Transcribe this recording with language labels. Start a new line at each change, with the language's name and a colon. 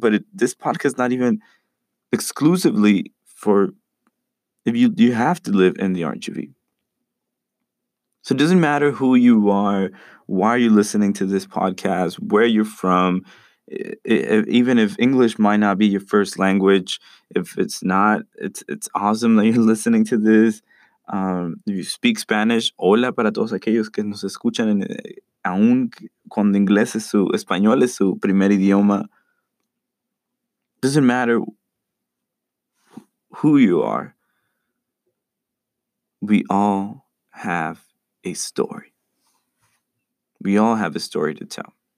English: But this podcast is not even exclusively for, if you have to live in the RGV. So it doesn't matter who you are, why are you listening to this podcast, where you're from, even if English might not be your first language. If it's not, it's awesome that you're listening to this. If you speak Spanish,
Spanish: hola para todos aquellos que nos escuchan, aun cuando inglés es su, español es su primer idioma.
English: Doesn't matter who you are. We all have a story. We all have a story to tell.